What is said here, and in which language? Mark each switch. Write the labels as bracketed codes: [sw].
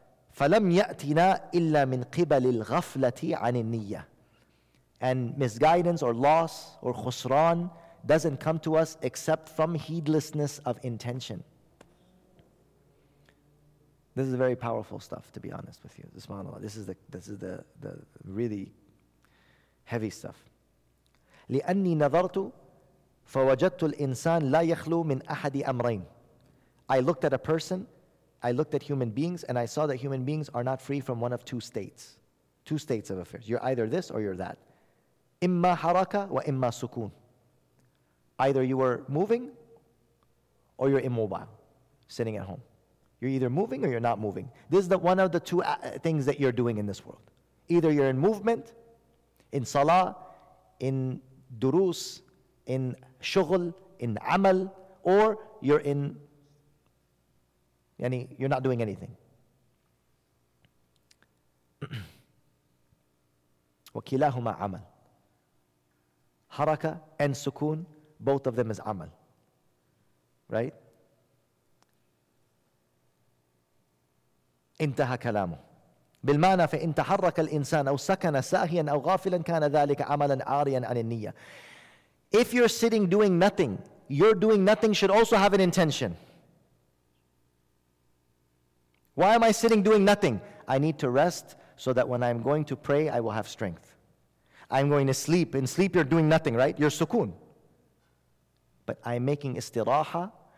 [ar] فلم يأتنا إلا من قبل الغفلة عن النية. [en] And misguidance or loss or خسران doesn't come to us except from heedlessness of intention. This is very powerful stuff, to be honest with you. Subhanallah. This is the really heavy stuff. [ar] لأني نظرت فوجدت الإنسان لا يخلو من أحد أمرين. [en] I looked at a person, I looked at human beings, and I saw that human beings are not free from one of two states. Two states of affairs. You're either this or you're that. [ar] إما حركة وإما سكون. [en] Either you are moving or you're immobile, sitting at home. You're either moving or you're not moving. This is the one of the two things that you're doing in this world. Either you're in movement, in salah, in durus, in shughl, in amal, or you're in, yani, you're not doing anything. [ar] وَكِلَاهُمَا عَمَلْ. [en] Haraka and sukoon, both of them is amal. Right? [ar] انتهى كلامه. بالمعنى فإن تحرك الإنسان أو سكن ساهيا أو غافلا كان ذلك عملا عاريا عن النية. [en] If you're sitting doing nothing, your doing nothing should also have an intention. Why am I sitting doing nothing? I need to rest so that when I'm going to pray, I will have strength. I'm going to sleep. In sleep, you're doing nothing, right? You're sukoon. But I'm making istiraha.